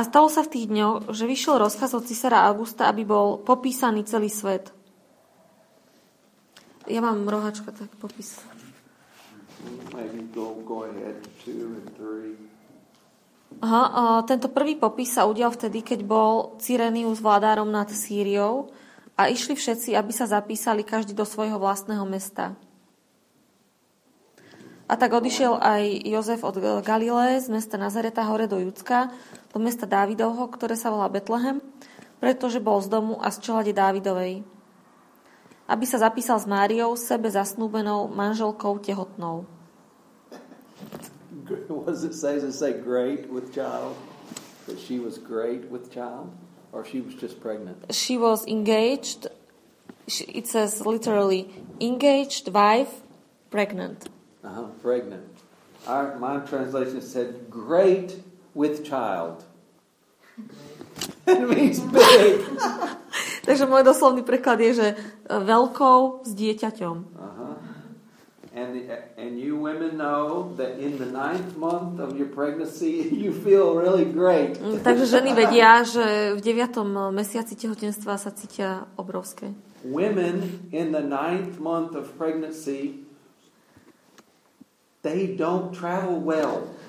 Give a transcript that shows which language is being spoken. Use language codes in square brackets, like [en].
[sk] A stalo sa v tých dňoch, že vyšiel rozkaz od cisára Augusta, aby bol popísaný celý svet. Ja mám rohačka, tak popis. [en] Maybe go ahead, 2 and 3. [sk] Aha, tento prvý popis sa udial vtedy, keď bol Cyrenius vládárom nad Sýriou a išli všetci, aby sa zapísali každý do svojho vlastného mesta. A tak odišiel aj Jozef od Galilée z mesta Nazareta hore do Judska, do mesta Dávidovho, ktoré sa volá Betlehem, pretože bol z domu a z čelade Dávidovej. Aby sa zapísal s Máriou, sebe zasnúbenou manželkou tehotnou. [en] Was it say to say great with child? That she was great with child? Or she was just pregnant? She was engaged. It says literally engaged wife pregnant. Uh-huh, pregnant. My translation said great with child. It means big. [sk] Takže môj doslovný preklad je, že veľkou s dieťaťom. [en] And you women know that in the ninth month of your pregnancy you feel really great. [sk] Takže ženy vedia, že v 9. mesiaci tehotenstva sa cítia obrovské. [en] Women in the ninth month of pregnancy, they don't travel well.